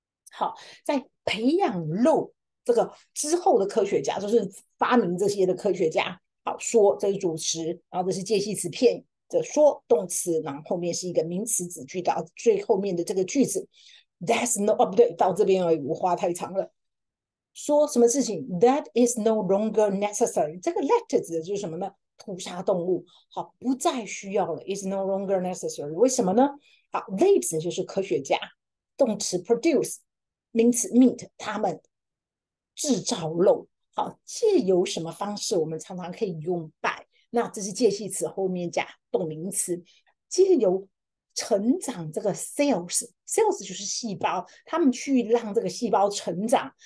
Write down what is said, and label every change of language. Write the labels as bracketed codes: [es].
[zh] 好，在培养肉这个之后的科学家，就是发明这些的科学家。好，说这是主词，然后这是介系词片的说动词，然后后面是一个名词子句到最后面的这个句子。 [en] That's no [zh] 哦，不对，到这边而已，我话太长了。说什么事情？ [en] That is no longer necessary。 [zh] 这个 let 指的就是什么呢？屠杀动物，好，不再需要了， [en] is no longer necessary。 [zh] 为什么呢？好，they 指的就是科学家，动词 produce，名词 meat，他们制造肉。好，借由什么方式，我们常常可以用 by，那这是介系词后面加动名词，借由成长这个 cells 就是细胞，他们去让这个细胞成长。